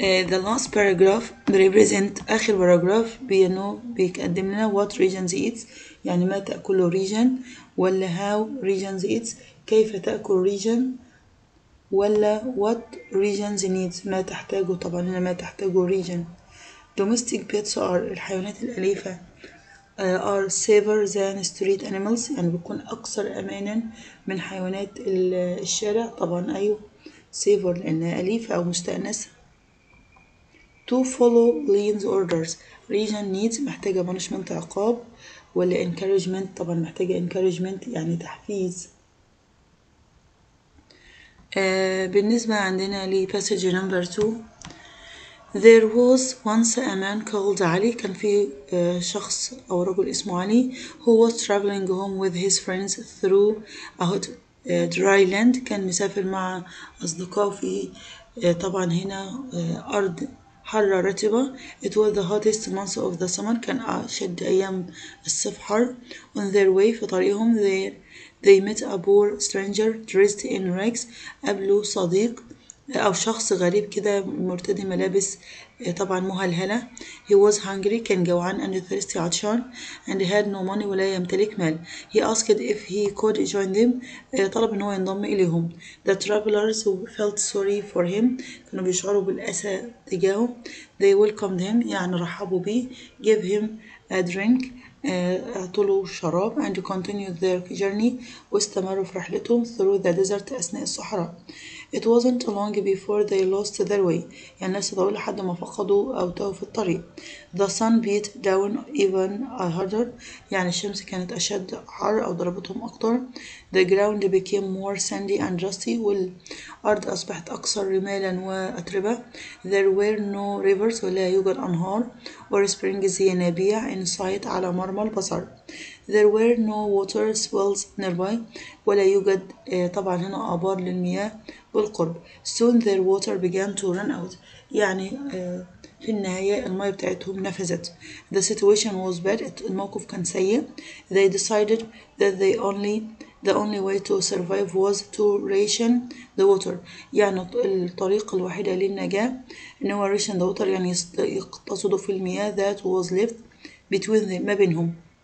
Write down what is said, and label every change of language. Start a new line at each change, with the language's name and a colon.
English: The last paragraph represent
Arabic: آخر
English: paragraph
Arabic: بأنه بيقدم لنا
English: what regions eats
Arabic: يعني ما تأكله ريجن ولا
English: how regions eats
Arabic: كيف تأكل ريجن ولا
English: what regions needs
Arabic: ما تحتاجه طبعا هنا ما تحتاجه ريجن.
English: Domestic pets are
Arabic: الحيوانات الأليفة
English: are safer than street animals
Arabic: يعني بيكون أكثر أمانا من حيوانات الشارع طبعا أيوة
English: safer
Arabic: لأنها أليفة أو مستأنسة.
English: To follow Lean's orders region needs
Arabic: محتاجة
English: punishment
Arabic: عقاب ولا
English: encouragement
Arabic: طبعا محتاجة
English: encouragement
Arabic: يعني تحفيز. بالنسبة عندنا ل
English: passage number 2 There was once a man called Ali.
Arabic: كان في شخص أو رجل اسمه علي
English: who was traveling home with his friends through a hot dry land.
Arabic: كان مسافر مع أصدقائه في طبعا هنا أرض حارة رطبة.
English: It was the hottest month of the summer.
Arabic: كان أشد أيام الصيف حر.
English: On their way
Arabic: في طريقهم
English: they met a poor stranger dressed in rags.
Arabic: قابلوا صديق أو شخص غريب كده مرتدي ملابس طبعا مهلهلة.
English: He was hungry
Arabic: كان جوعان
English: and thirsty
Arabic: عطشان
English: and had no money
Arabic: ولا يمتلك مال.
English: He asked if he could join them
Arabic: طلب إن هو ينضم إليهم.
English: The travelers felt sorry for him
Arabic: كانوا بيشعروا بالأسى تجاهه.
English: They welcomed him
Arabic: يعني رحبوا به.
English: Give him a drink
Arabic: أعطوله شراب
English: and continued their journey
Arabic: واستمروا في رحلتهم
English: through the desert
Arabic: أثناء الصحراء.
English: It wasn't long before they lost their way
Arabic: يعني لسه طويل لحد ما فقدوا أو تاهوا في الطريق.
English: The sun beat down even harder
Arabic: يعني الشمس كانت أشد حر أو ضربتهم أكتر.
English: The ground became more sandy and rusty
Arabic: والأرض أصبحت أكثر رمالا وأتربة.
English: There were no rivers
Arabic: ولا يوجد أنهار
English: or springs
Arabic: ينابيع
English: in sight
Arabic: على مرمى البصر.
English: There were no water wells nearby
Arabic: ولا يوجد طبعا هنا آبار للمياه بالقرب.
English: Soon their water began to run out
Arabic: يعني في النهاية الماء بتاعتهم نفذت.
English: The situation was bad
Arabic: الموقف كان سيء.
English: They decided that they only the only way to survive was to ration the water
Arabic: يعني الطريقة الوحيدة للنجاة إن هو
English: ration the water
Arabic: يعني يقتصدوا في المياه
English: that was left between them
Arabic: ما بينهم.